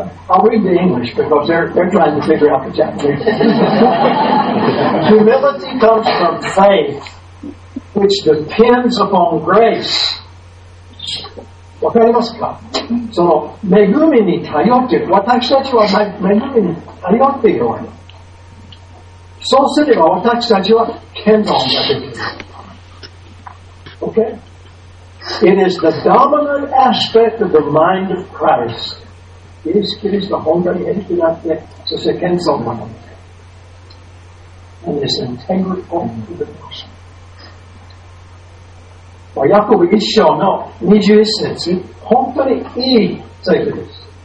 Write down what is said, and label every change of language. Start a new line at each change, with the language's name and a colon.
English: I'll read the English because they're trying to figure out the Japanese. Humility comes from faith, which depends upon grace.
Japanese: わかりますか?その恵みに頼ってる。私たちは恵みに頼っているわけ。そうすれば私たちは謙遜ができる。
English: Okay? It is the dominant aspect of the mind of Christ.
Japanese: イエス・キリスト本当に生きなって、そして謙遜なので。
English: And this integral point of the gospel.
Japanese: ヤコブ一章の21節、本当にいい説明です。